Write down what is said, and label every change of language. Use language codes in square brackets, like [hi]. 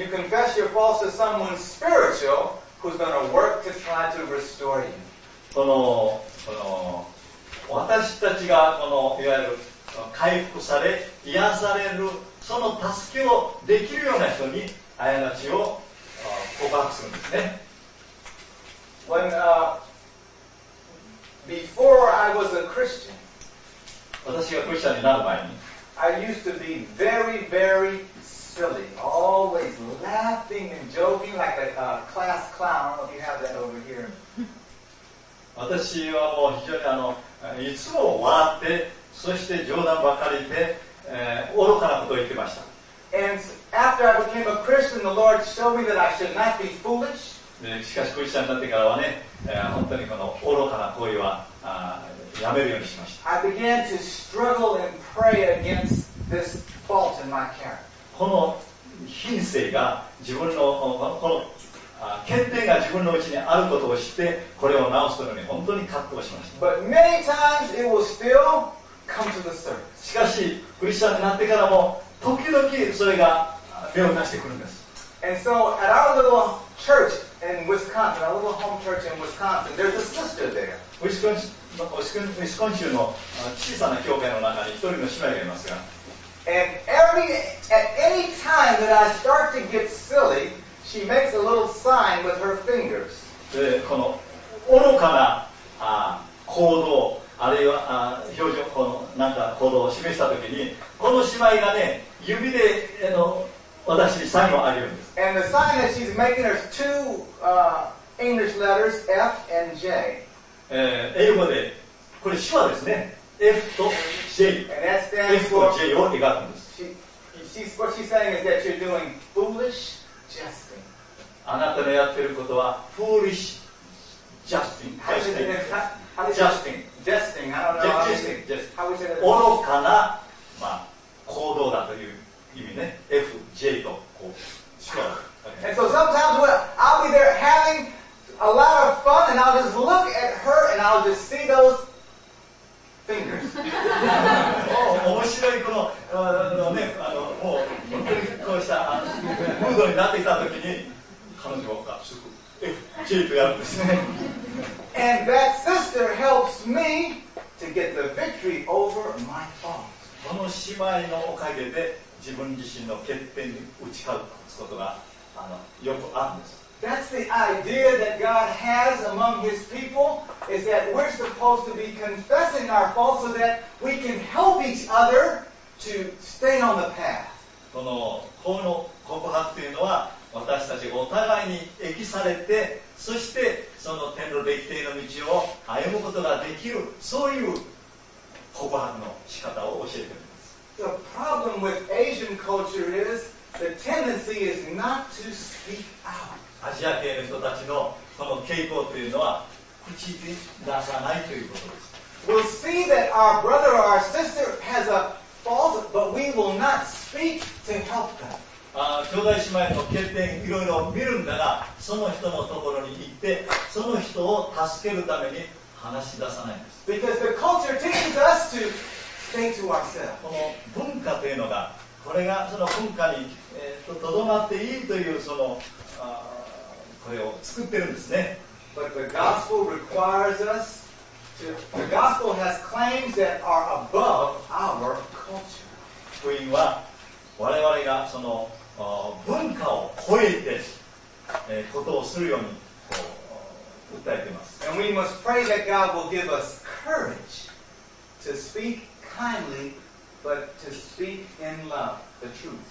[en] You confess your faults to someone spiritual who's going to work to try to restore you. [ja] この私たちがこのいわゆる回復され癒されるその助けをできるような人に過ちを告白するんですね。 [en] When, before I was a Christian, [ja] 私がクリスチャンになる前に [en] I used to be very, very silly, always laughing and joking like a class clown. If you have that over here. [ja] 私はもう非常にいつも笑って、そして冗談ばかりで、愚かなことを言ってました。 [en] And after I became a Christian, the Lord showed me that I should not be foolish. [ja] しかしクリスチャンになってからはね、本当にこの愚かな行為はやめるようにしました。 [en] I began to struggle and pray against this fault in my character. [ja] この品性が自分のこの欠点が自分のうちにあることを知って、これを直すというのに本当に葛藤しました。 [en] But many times it will still come to the surface. [ja] しかし、クリスチャンになってからも、時々それが目を出してくるんです。 [en] And so at our little church in Wisconsin, our little home church in Wisconsin, there's a sister there. [ja] ウィスコン州の小さな教会の中に一人の姉妹がいますが。 [en] at any time that I start to get silly, she makes a little sign with her fingers. [ja] で、この愚かな行動、あるいは表情、このなんか行動を示したときに、この姉妹がね、指で私にサインをあげるんです。 [en] And the sign that she's making is two English letters, F and J. [ja] 英語で、これ手話ですね。 F と J。 [en] And that stands for, [ja] F と J を描くんです。 [en] What she's saying is that you're doing foolish jesting. [ja] あなたのやってることは、foolish jesting。 [en] Jesting. Jesting. I don't know. Jesting. Jesting. [ja] 愚かな、まあ、行動だという意味ね。 F, J とこう。 [en] And so sometimes I'll be there having a lot of fun and I'll just look at her and I'll just see those fingers. [ja] 面白いこの、ね、もう、こうしたムードになってきたときに、彼女がか、すぐ F, J とやるんですね。 [en] And that sister helps me to get the victory over my fault. [ja] この姉妹のおかげで自分自身の欠点に打ち勝つことがよくあるんです。 [en] That's the idea that God has among His people, is that we're supposed to be confessing our faults so that we can help each other to stay on the path. [ja] この法の告白というのは私たちがお互いに益されて、そしてその天の歴定の道を歩むことができる、そういう告白の仕方を教えています。 [en] The problem with Asian culture is the tendency is not to speak out. [ja] アジア系の人たちのその傾向というのは口に出さないということです。 [en] We'll see that our brother or our sister has a fault, but we will not speak to help them. [ja] 兄弟姉妹の欠点いろいろ見るんだが、その人のところに行ってその人を助けるために話し出さないんです。 [en] Because the culture teaches us to stay to ourselves. [ja] この文化というのが、これがその文化にとど、まっていいというそのこれを作ってるんですね。 [en] But the gospel requires us to, the gospel has claims that are above our culture. [ja] 福音は我々がその文化を超えて、ことをするようにこう訴えています。 [en] And we must pray that God will give us courage to speak kindly, but to speak in love, the truth.